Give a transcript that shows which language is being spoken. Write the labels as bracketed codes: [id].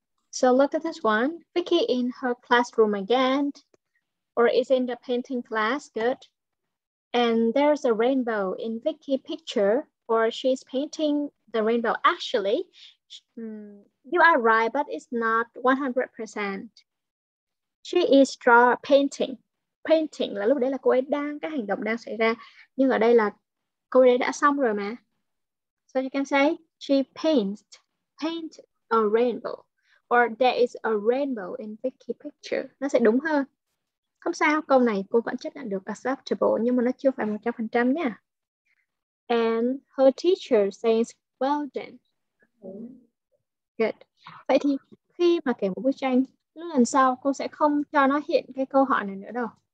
[en] So look at this one. Vicky in her classroom again, or is in the painting class, good. And there's a rainbow in Vicky's picture, or she's painting the rainbow. Actually, you are right, but it's not 100%. She is painting [vi] là lúc đấy là cô ấy đang, cái hành động đang xảy ra, nhưng ở đây là cô ấy đã xong rồi mà. [en] So you can say she paint a rainbow, or there is a rainbow in Vicky picture, [vi] nó sẽ đúng hơn. Không sao, câu này cô vẫn chấp nhận được acceptable, nhưng mà nó chưa phải 100% nha. [en] And her teacher says well done. Good. [vi] Vậy thì khi mà kể một bức tranh, lần sau cô sẽ không cho nó hiện cái câu hỏi này nữa đâu.